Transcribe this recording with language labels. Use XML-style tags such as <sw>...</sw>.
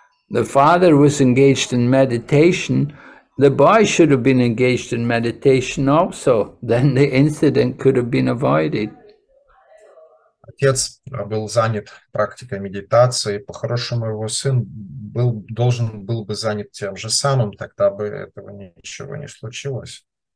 <en>The father was engaged in meditation. The boy should have been engaged in meditation also. Then the incident could have been avoided.</en> <ru>Отец был занят практикой медитации. По-хорошему, его сын был должен был бы занят тем же самым, тогда бы этого ничего не случилось.</ru>